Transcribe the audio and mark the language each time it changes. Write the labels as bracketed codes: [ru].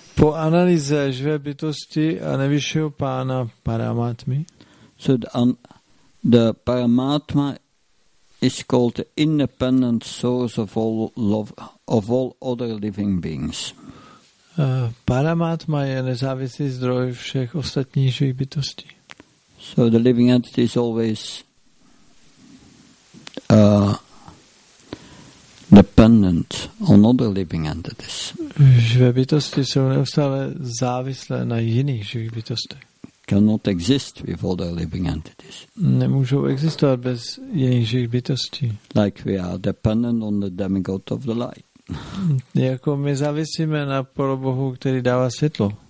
[cs] Po analýze živé bytosti a nejvyššího pána Paramatmy. [en] So the Paramatma is called the independent source of all love, of all other living beings. [cs] Paramatma je nezávislý zdroj všech ostatních živých bytostí. [en] So the living entity is always dependent on other living entities. [cs] Živé bytosti jsou neustále závislé na jiných živých bytostech. [en] Cannot exist with other living entities. [cs] Nemůžou existovat bez jiných živých bytostí. [en] Like we are dependent on the demigod of the light. [cs] Jako my závisíme na polobohu, který dává světlo.